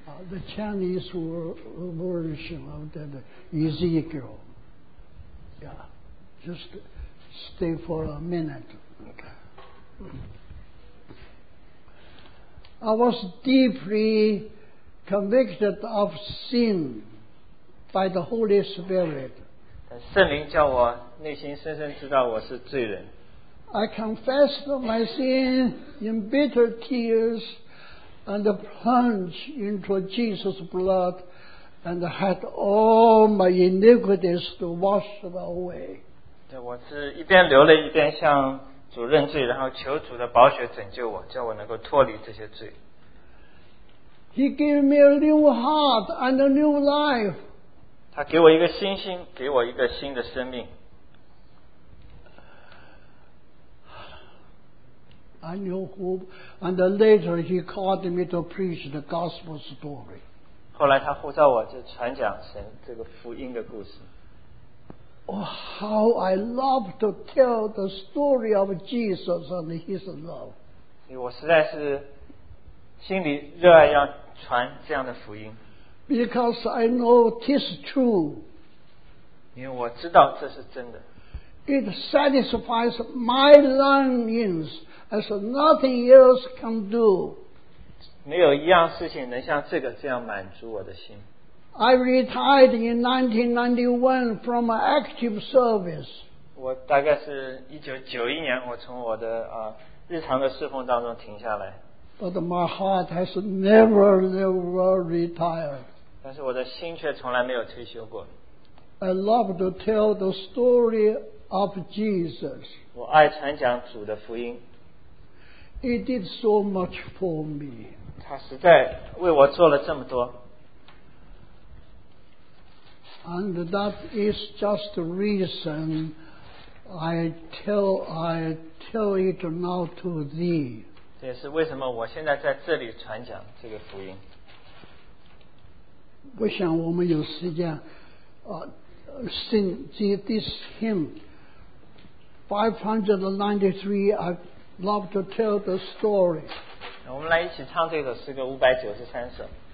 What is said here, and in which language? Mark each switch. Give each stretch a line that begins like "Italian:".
English: The Chinese version of that Ezekiel. Yeah. Just stay for a minute. Okay. I was deeply convicted of sin by the Holy Spirit.
Chinese: 圣灵叫我内心深深知道我是罪人。
English: I confessed my sin in bitter tears and plunged into Jesus' blood and had all my iniquities to wash away.
Chinese: 对，我是一边流泪一边向主认罪，然后求主的宝血拯救我，叫我能够脱离这些罪。
English: He gave me a new heart and a new life.
Chinese: 他给我一个新心，给我一个新的生命。
English: I knew who, and later he called me to preach the gospel story.
Chinese: 后来他呼召我就传讲神这个福音的故事。
English: Oh, how I love to tell the story of Jesus and his love.
Chinese: 我实在是心里热爱要传这样的福音。
English: Because I know it is true.
Chinese: 因为我知道这是真的。
English: It satisfies my longings as nothing else can do.
Chinese: 没有一样事情能像这个这样满足我的心。
English: I retired in 1991 from active service.
Chinese: 我大概是1991年我从我的日常的侍奉当中停下来。
English: But my heart has never retired.
Chinese: 但是我的心却从来没有退休过。
English: I love to tell the story of Jesus.
Chinese: 我爱传讲主的福音。
English: He did so much for me.
Chinese: 他实在为我做了这么多。
English: And that is just the reason I tell it now to thee.
Chinese: 这也是为什么我现在在这里传讲这个福音。我想我们有时间
English: sing this hymn 593 I love to tell the story.
Chinese: 我们来一起唱这首诗歌593首。